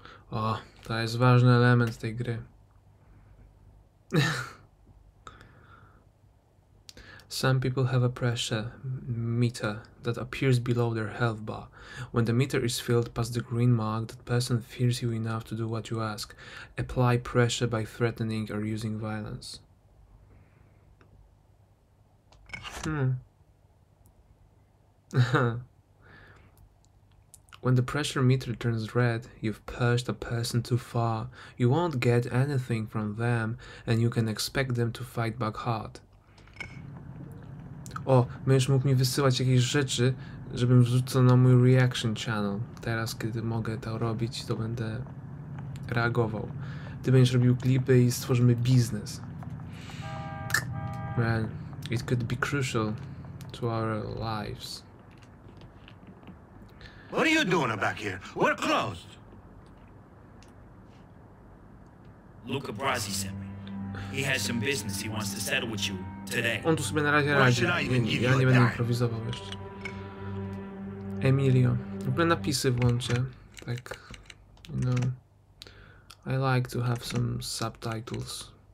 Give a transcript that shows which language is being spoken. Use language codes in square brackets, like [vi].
[pl] O, to jest ważny element tej gry. [en] Some people have a pressure meter that appears below their health bar. When the meter is filled past the green mark, that person fears you enough to do what you ask. Apply pressure by threatening or using violence. When the pressure meter turns red, you've pushed a person too far. You won't get anything from them and you can expect them to fight back hard. [pl] O, mąż mógł mi wysyłać jakieś rzeczy, żebym wrzucał na mój reaction channel. Teraz, kiedy mogę to robić, to będę reagował. Ty będziesz robił klipy i stworzymy biznes. [en] Man, it could be crucial to our lives. What are you doing back here? We're closed. Luca Brasi sent me. He has some business he wants to settle with you today. [pl] On tu sobie na razie radzi. Ja nie będę improwizował jeszcze. Emilio. W ogóle napisy włączę. Tak. [en] You know. I like to have some subtitles.